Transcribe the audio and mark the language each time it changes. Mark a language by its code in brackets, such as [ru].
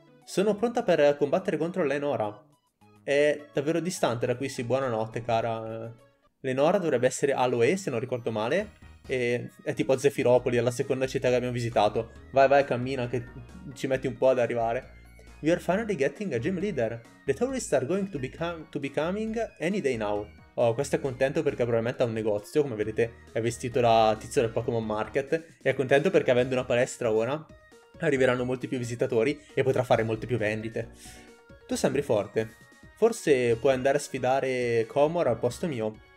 [it] Sono pronta per combattere contro Lenora. È davvero distante da qui, sì, buonanotte, cara. Lenora dovrebbe essere Aloe, se non ricordo male. E è tipo Zefiropoli, è la seconda città che abbiamo visitato. Vai, vai, cammina, che ci metti un po' ad arrivare. [en] We are finally getting a gym leader. The tourists are going to be coming any day now. [it] Oh, questo è contento perché probabilmente ha un negozio, come vedete è vestito da tizio del Pokémon Market. E è contento perché avendo una palestra ora arriveranno molti più visitatori e potrà fare molte più vendite. Tu sembri forte. Forse puoi andare a sfidare Comor al posto mio.